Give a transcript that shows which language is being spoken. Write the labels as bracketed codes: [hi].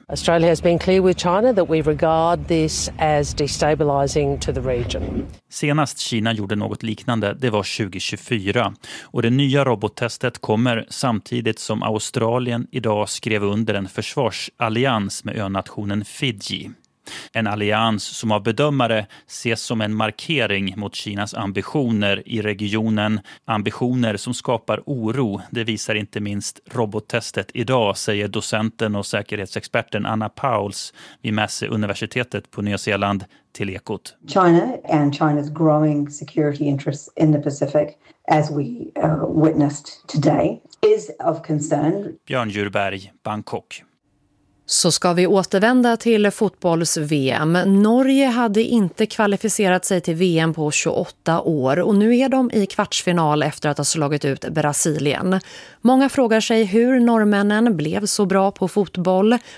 [en] Australia has been clear with China that we regard this as destabilizing to the region. [sv] Senast Kina gjorde något liknande, det var 2024. Och det nya robottestet kommer samtidigt som Australien idag skrev under en försvarsallians med önationen Fiji. En allians som av bedömare ses som en markering mot Kinas ambitioner i regionen. Ambitioner som skapar oro, det visar inte minst robottestet idag, säger docenten och säkerhetsexperten Anna Pauls vid Massey-universitetet på Nya Zeeland till Ekot. [en] China and China's growing security interests in the Pacific, as we witnessed today, is of concern. [sv] Björn Djurberg, Bangkok. Så ska vi återvända till fotbolls-VM. Norge hade inte kvalificerat sig till VM på 28 år och nu är de i kvartsfinal efter att ha slagit ut Brasilien. Många frågar sig hur norrmännen blev så bra på fotboll.